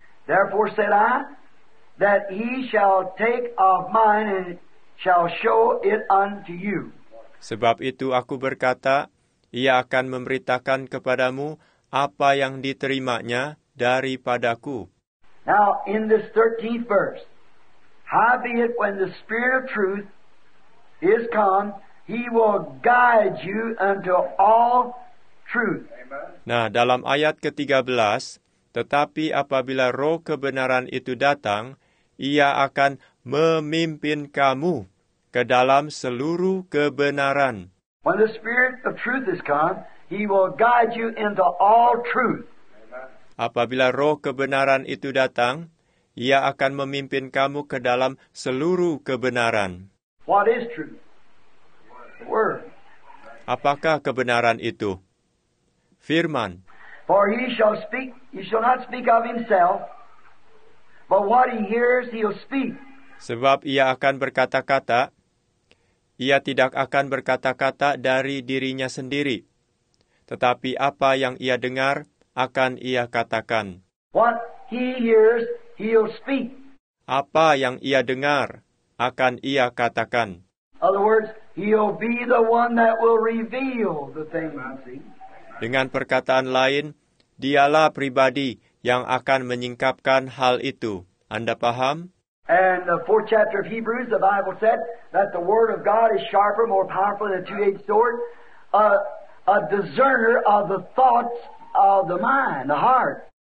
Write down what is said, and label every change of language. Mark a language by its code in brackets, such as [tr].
[en] Therefore said I, that he shall take of mine and shall show it unto you. [id] Sebab itu aku berkata, ia akan memberitakan kepadamu apa yang diterimanya daripadaku. [en] Now in this 13th verse, howbeit when the Spirit of truth is come, he will guide you unto all truth. [id] Nah, dalam ayat ke-13, tetapi apabila roh kebenaran itu datang, ia akan memimpin kamu ke dalam seluruh kebenaran. [en] When the Spirit of truth is come, he will guide you into all truth. [id] Apabila roh kebenaran itu datang, Ia akan memimpin kamu ke dalam seluruh kebenaran. [en] What is truth? Word. [id] Apakah kebenaran itu? Firman. [en] For he shall not speak of himself, but what he hears he'll speak. [id] Sebab ia akan berkata-kata, ia tidak akan berkata-kata dari dirinya sendiri, tetapi apa yang ia dengar akan ia katakan. [en] What he hears he'll speak. [id] Apa yang ia dengar akan ia katakan. [en] In other words, he'll be the one that will reveal the things. [id] Dengan perkataan lain, dialah pribadi yang akan menyingkapkan hal itu. Anda paham? [en] And the fourth chapter of Hebrews, the Bible said that the word of God is sharper, more powerful than a two-edged sword, a discerner of the thoughts of the mind, the heart.